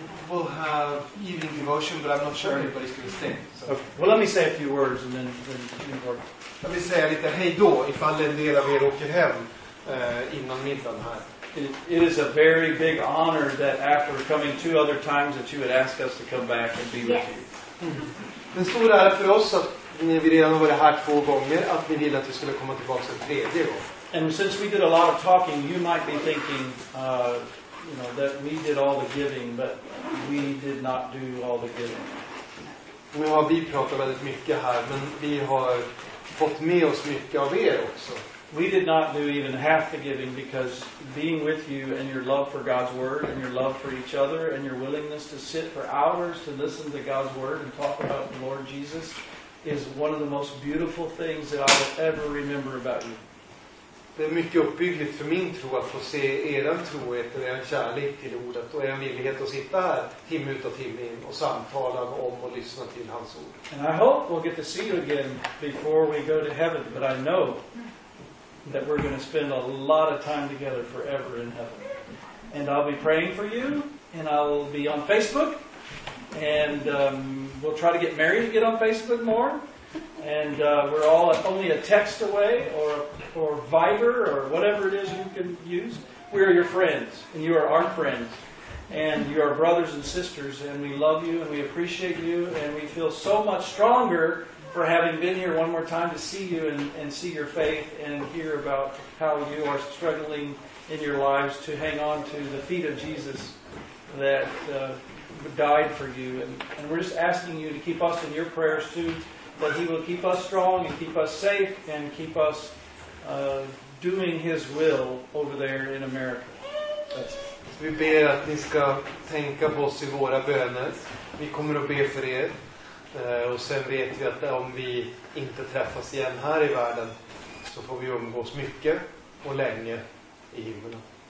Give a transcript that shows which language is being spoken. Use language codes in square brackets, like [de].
[en] we'll have evening devotion, but I'm not sure anybody's going to stay. So. Okay. Well, let me say a few words, and then let me say a little [sv] hey då ifall en del av er åker hem innan middagen här. [en] It is a very big honor that after coming two other times that you would ask us to come back and be yes. with you. [sv] Det stora är för oss att ni vill redan vara här två gånger att ni vill att vi skulle komma tillbaka en tredje gång. [en] And since we did a lot of talking, you might be thinking, you know, that we did all the giving, but we did not do all the giving. [sv] Nu har vi pratat väldigt mycket här, men vi har fått med oss mycket av er också. [en] We did not do even half the giving because being with you and your love for God's word and your love for each other and your willingness to sit for hours to listen to God's word and talk about the Lord Jesus is one of the most beautiful things that I will ever remember about you. [sv] Det är mycket uppbyggligt för min tro att få se eran trohet och eran kärlek till ordet och eran villighet att sitta här timme ut och timme in och samtala om och lyssna till hans ord. [en] And I hope we'll get to see you again before we go to heaven, but I know that we're going to spend a lot of time together forever in heaven. And I'll be praying for you, and I'll be on Facebook, and we'll try to get Mary to get on Facebook more, and we're all only a text away, or Viber, or whatever it is you can use. We are your friends, and you are our friends, and you are brothers and sisters, and we love you, and we appreciate you, and we feel so much stronger for having been here one more time to see you and see your faith and hear about how you are struggling in your lives to hang on to the feet of Jesus that died for you. And we're just asking you to keep us in your prayers too, that he will keep us strong and keep us safe and keep us doing his will over there in America. [sv] Vi ber att ni ska tänka på oss i våra böner. Vi kommer att be för er. Och sen vet vi att om vi inte träffas igen här i världen så får vi umgås mycket och länge i himlen.